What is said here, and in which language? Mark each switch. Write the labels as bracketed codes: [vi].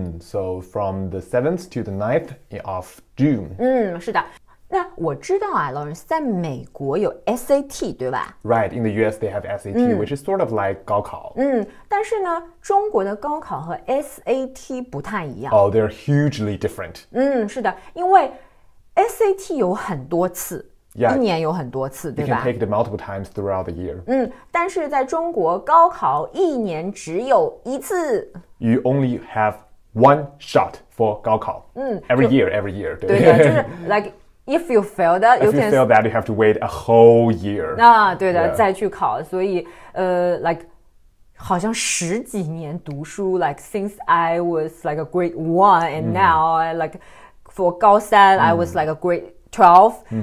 [en] So, from the 7th to the 9th of June. [zh] 是的。那我知道啊 ,Lawrence, 在美国有 SAT, 对吧 [en] ?Right, in the US they have SAT, which is sort of like 高考。 [zh] 但是呢中国的高考和 SAT 不太一样。 [en] Oh, they're hugely different. [zh] 是的因为 SAT 有很多次 [en] yeah, [zh] 一年有很多次对吧 [en] ?You can take it multiple times throughout the year. [zh] 但是在中国高考一年只有一次。 [en] You only have one shot for 高考。Every year, [zh] 对对就是 [en] like,If you fail that, you can... If you fail that, you have to wait a whole year. 对的、yeah. [zh] 再去考。所以、 [en] like, [zh] 好像十几年读书 [en] like, since I was like a grade 1, and now, like, for 高三 I was like a grade 12.